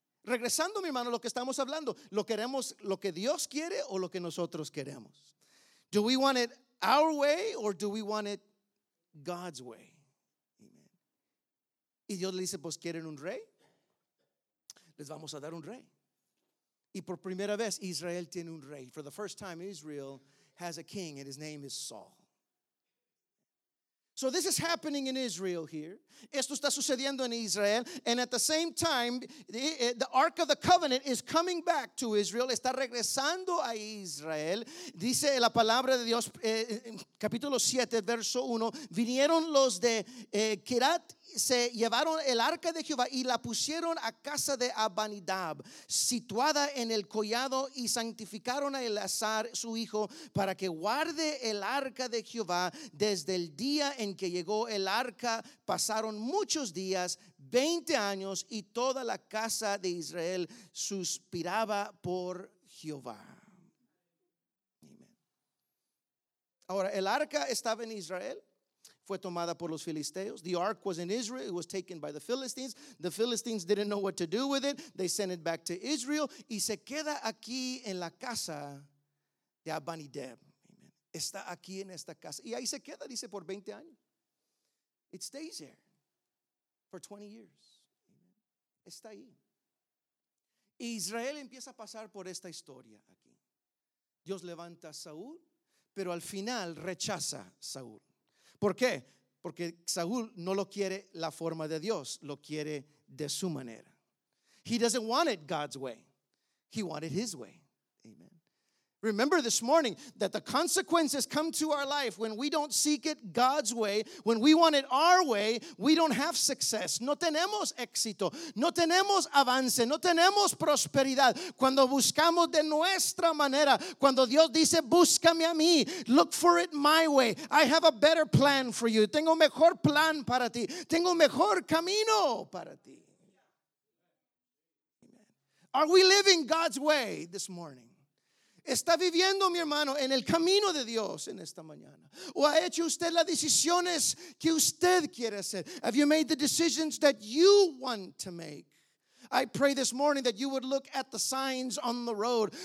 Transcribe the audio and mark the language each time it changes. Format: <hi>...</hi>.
<es>Regresando, mi hermano, a lo que estamos hablando, ¿lo queremos lo que Dios quiere o lo que nosotros queremos?</es> <en>Do we want it our way or do we want it God's way? Amen.</en> <es>Y Dios le dice, pues, ¿quieren un rey? Les vamos a dar un rey. Y por primera vez Israel tiene un rey.</es> <en>For the first time Israel has a king and his name is Saul. So this is happening in Israel here.</en> <es>Esto está sucediendo en Israel.</es> <en>And at the same time, the Ark of the Covenant is coming back to Israel.</en> <es>Está regresando a Israel. Dice la palabra de Dios, capítulo 7, verso 1. Vinieron los de Kirat, se llevaron el arca de Jehová y la pusieron a casa de Abinadab, situada en el collado, y santificaron a Eleazar, su hijo, para que guarde el arca de Jehová. Desde el día en que llegó el arca pasaron muchos días, 20 años, y toda la casa de Israel suspiraba por Jehová. Amen. Ahora, el arca estaba en Israel. Fue tomada por los filisteos.</es> <en>The ark was in Israel. It was taken by the Philistines. The Philistines didn't know what to do with it. They sent it back to Israel.</en> <es>Y se queda aquí en la casa de Abinadab. Amen. Está aquí en esta casa. Y ahí se queda, dice, por 20 años.</es> <en>It stays there for 20 years. Amen.</en> <es>Está ahí. Israel empieza a pasar por esta historia aquí. Dios levanta a Saúl, pero al final rechaza a Saúl. ¿Por qué? Porque Saúl no lo quiere la forma de Dios, lo quiere de su manera.</es> <en>He doesn't want it God's way. He wanted his way. Amen. Remember this morning that the consequences come to our life when we don't seek it God's way. When we want it our way, we don't have success.</en> <es>No tenemos éxito. No tenemos avance. No tenemos prosperidad. Cuando buscamos de nuestra manera, cuando Dios dice, búscame a mí.</es> <en>Look for it my way. I have a better plan for you.</en> <es>Tengo mejor plan para ti. Tengo mejor camino para ti.</es> <en>Amen. Are we living God's way this morning?</en> <es>¿Está viviendo, mi hermano, en el camino de Dios en esta mañana? ¿O ha hecho usted las decisiones que usted quiere hacer?</es> <en>Have you made the decisions that you want to make? I pray this morning that you would look at the signs on the road.</en>